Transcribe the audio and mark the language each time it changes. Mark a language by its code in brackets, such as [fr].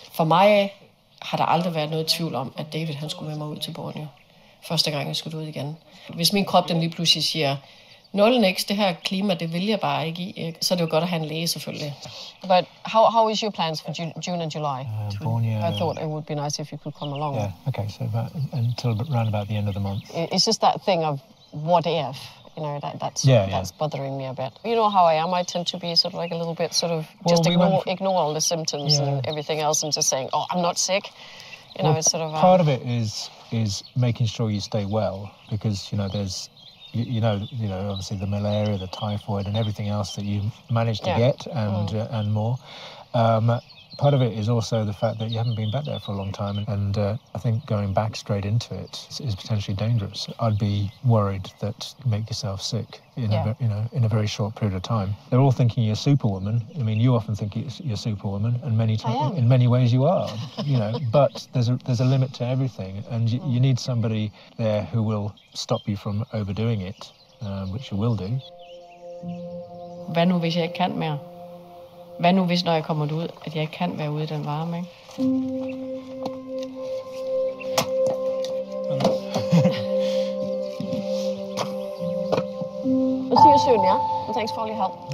[da] For mig har der aldrig været noget tvivl om, at David han skulle med mig ud til Borneo. Første gang jeg skulle ud igen. Hvis min krop den lige pludselig siger, nul niks, det her klima, det vil jeg bare ikke i. Så det er jo godt at have en læge, selvfølgelig. [en] But how is your plans for June and July? Borneo. I thought it would be nice if you could come along. Yeah, okay, so around about the end of the month. It's just that thing of what if, you know, that's bothering me a bit. You know how I am, I tend to be sort of like a little bit sort of, well, just ignore all the symptoms and everything else and just saying, oh, I'm not sick. You know, well, it's sort of... Part of it is making sure you stay well, because, you know, there's... You know, obviously the malaria, the typhoid, and everything else that you managed to get, and more. part of it is also the fact that you haven't been back there for a long time, and I think going back straight into it is potentially dangerous. I'd be worried that you make yourself sick in a very short period of time. They're all thinking you're superwoman. I mean, you often think you're superwoman, and many ways you are, you know, but there's a limit to everything, and you need somebody there who will stop you from overdoing it, which you will do. [da] Hvad nu, hvis jeg ikke kan mere? Hvad nu, hvis når jeg kommer ud, at jeg ikke kan være ude i den varme, ikke? [en] We'll see you soon, yeah? And thanks for all your help.